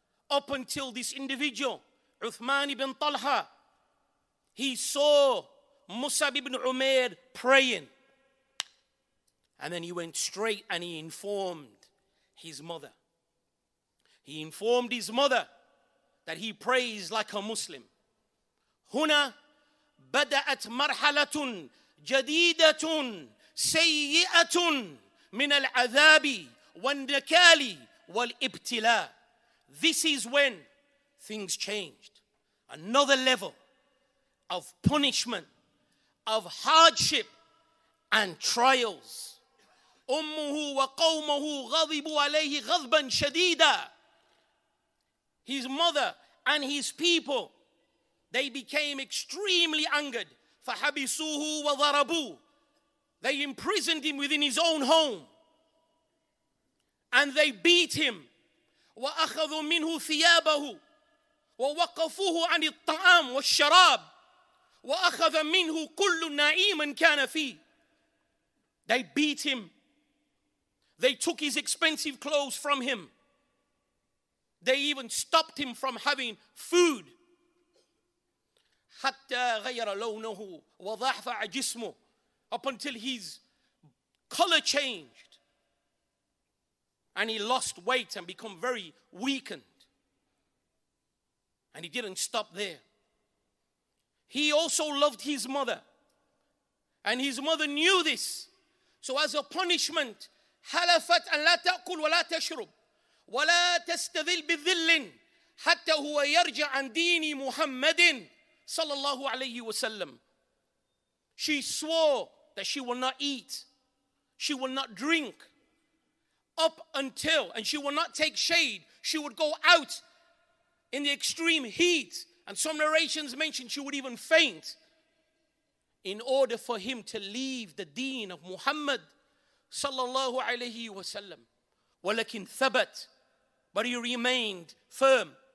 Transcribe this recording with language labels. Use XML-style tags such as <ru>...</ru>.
<en>Up until this individual, عثمان بن طلحة, he saw Musab ibn Umair praying. And then he went straight and he informed his mother. He informed his mother that he prays like a Muslim.</en> <ar>هنا بدأت مرحلة جديدة سيئة من العذاب والنكال والابتلاء.</ar> <en>This is when things changed. Another level of punishment, of hardship and trials.</en> <ar>أمه وقومه غضبوا عليه غضبا شديدا.</ar> <en>His mother and his people, they became extremely angered.</en> <ar>فحبسوه وضربوه.</ar> <en>They imprisoned him within his own home. And they beat him.</en> <ar>وَأَخَذُوا مِنْهُ ثِيَابَهُ وَوَقَفُوهُ عَنِ الطَّعَامِ وَالشَّرَابِ وَأَخَذَ مِنْهُ كُلُّ نَعِيمٍ كَانَ فِيهِ.</ar> <en>They beat him. They took his expensive clothes from him. They even stopped him from having food.</en> <ar>حَتَّى غَيَّرَ لَوْنَهُ وَضَحْفَعَ جِسْمُهُ.</ar> <en>Up until his color changed and he lost weight and become very weakened. And he didn't stop there. He also loved his mother. And his mother knew this. So as a punishment,</en> <ar>حلفت أن لا تأكل ولا تشرب ولا تستذل بالذل حتى هو يرجع عن دين محمد صلى الله عليه وسلم.</ar> <en>She swore that she will not eat, she will not drink, up until, and she will not take shade, she would go out in the extreme heat, and some narrations mention she would even faint, in order for him to leave the deen of Muhammad, sallallahu alayhi wa sallam,</en> <ar>walakin thabat,</ar> <en>but he remained firm.</en>